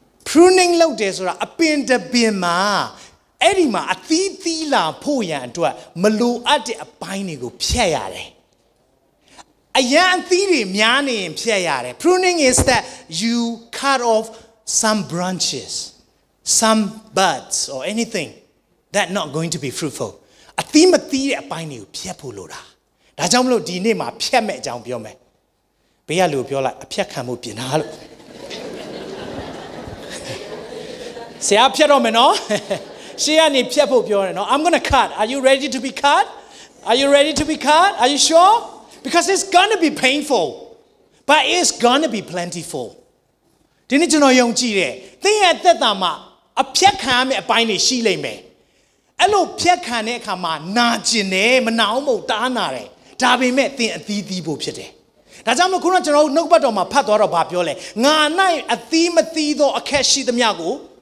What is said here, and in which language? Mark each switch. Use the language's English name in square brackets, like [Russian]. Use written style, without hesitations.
[Burmese] Pruning လုပ်တယ်ဆိုတာအပင်တပင်မှာအဲ့ဒီမှာအသီးသီးလာဖို့ရန်အတွက်မလိုအပ်တဲ့အပိုင်းတွေကိုဖြတ်ရတယ်။အရန်အသီးတွေများနေရင်ဖြတ်ရတယ် [English] Pruning is that you cut off some branches. Some buds or anything that not going to be fruitful. [Burmese] အသီးမသီးတဲ့အပိုင်းတွေကိုဖျက်ဖို့လိုတာ။ဒါကြောင့်မလို့ဒီနေ့မှာဖျက်မဲ့အကြောင်းပြောမယ်။ဘေးကလူပြောလိုက်အဖျက်ခံမှုပြင်တာလို့။ဆရာဖျက်တော့မယ်နော်။ရှေးကနေဖျက်ဖို့ပြောရတယ်နော်။ [English] I'm going to cut. Are you ready to be cut? Are you ready to be cut? Are you sure? Because it's going to be painful. But it's going to be plentiful. [Burmese] ဒီနေ့ကျွန်တော်ယုံကြည်တယ်သင်ရဲ့သက်တာမှာအဖြတ်ခံရမယ့်အပိုင်းတွေရှိလိမ့်မယ်အဲ့လိုဖြတ်ခံတဲ့အခါမှာနာကျင်တယ်မနာအောင်မို့တားနာတယ်ဒါပေမဲ့သင်အသီးသီးဖို့ဖြစ်တယ်ဒါကြောင့်မို့ခုနကကျွန်တော်တို့နှုတ်ပတ်တော်မှာဖတ်သွားတော့ဗာပြောလဲငါ၌အသီးမသီးသောအခက်ရှိသမျှကို